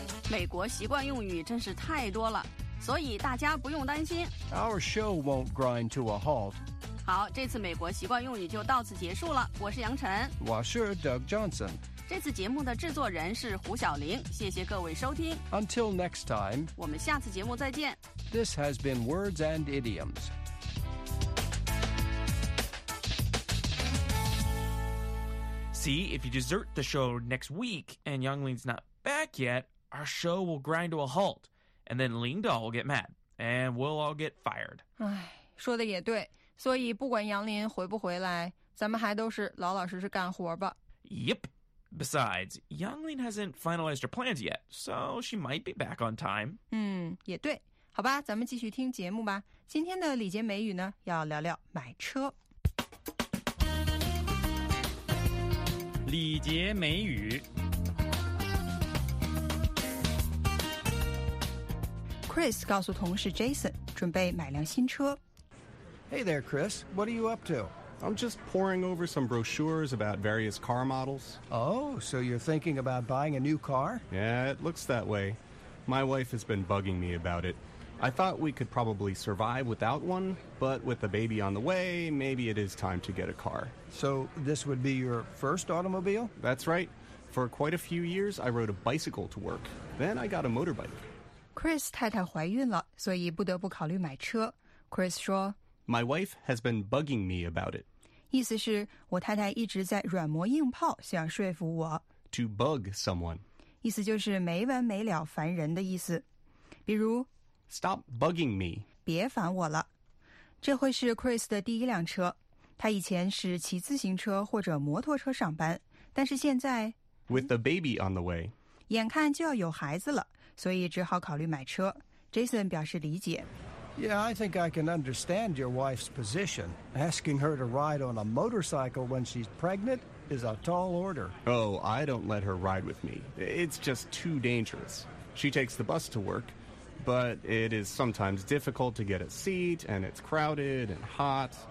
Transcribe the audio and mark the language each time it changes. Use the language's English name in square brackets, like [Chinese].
[Chinese] 美国习惯用语真是太多了，所以大家不用担心。 [English] Our show won't grind to a halt. [Chinese] 好，这次美国习惯用语就到此结束了。我是杨晨，我是 Doug Johnson。这次节目的制作人是胡晓玲，谢谢各位收听。 [English] Until next time， [Chinese] 我们下次节目再见。 [English] This has been Words and Idioms。 See if you desert the show next week and Youngling's not back yet, our show will grind to a halt, and then Ling Dao will get mad, and we'll all get fired。 [Chinese] 唉，说的也对。所以不管杨林回不回来，咱们还都是老老实实干活吧。 [English] Yep. Besides, Yang Lin hasn't finalized her plans yet, so she might be back on time. [Chinese] 嗯，也对。好吧，咱们继续听节目吧。今天的礼节美语呢，要聊聊买车。礼节美语。 Chris 告诉同事 Jason， 准备买辆新车。 [English] Hey there, Chris. What are you up to? I'm just poring over some brochures about various car models. Oh, so you're thinking about buying a new car? Yeah, it looks that way. My wife has been bugging me about it. I thought we could probably survive without one, but with a baby on the way, maybe it is time to get a car. So this would be your first automobile? That's right. For quite a few years, I rode a bicycle to work. Then I got a motorbike. [Chinese] Chris 太太怀孕了，所以不得不考虑买车。 Chris 说 [English] My wife has been bugging me about it. [Chinese] 意思是我太太一直在软磨硬泡想说服我。 [English] To bug someone. [Chinese] 意思就是没完没了烦人的意思。比如 [English] Stop bugging me. [Chinese] 别烦我了。这会是 Chris 的第一辆车。他以前是骑自行车或者摩托车上班。但是现在 [English] With the baby on the way. [Chinese] 眼看就要有孩子了，所以只好考虑买车。 Jason 表示理解。 [English] Yeah, I think I can understand your wife's position. Asking her to ride on a motorcycle when she's pregnant is a tall order. Oh, I don't let her ride with me. It's just too dangerous. She takes the bus to work, but it is sometimes difficult to get a seat, and it's crowded and hot.